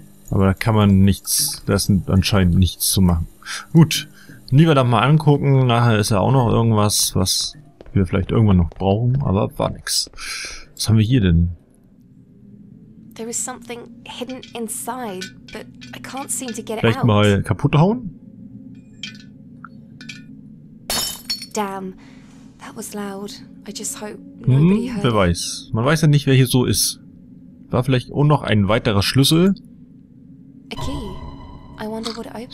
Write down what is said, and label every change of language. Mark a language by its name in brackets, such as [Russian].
[German] Aber da kann man nichts... Da ist anscheinend nichts zu machen. Gut. Lieber dann mal angucken. Nachher ist ja auch noch irgendwas, was wir vielleicht irgendwann noch brauchen. Aber war nix. Was haben wir hier denn? [English] There is something hidden inside, but I can't seem to get it out. [German] Vielleicht mal kaputt hauen? [English] Damn, that was loud. I just hope nobody heard. [German] Wer weiß. Man weiß ja nicht, wer hier so ist. War vielleicht auch noch ein weiterer Schlüssel. [English] A key. I wonder what it opens.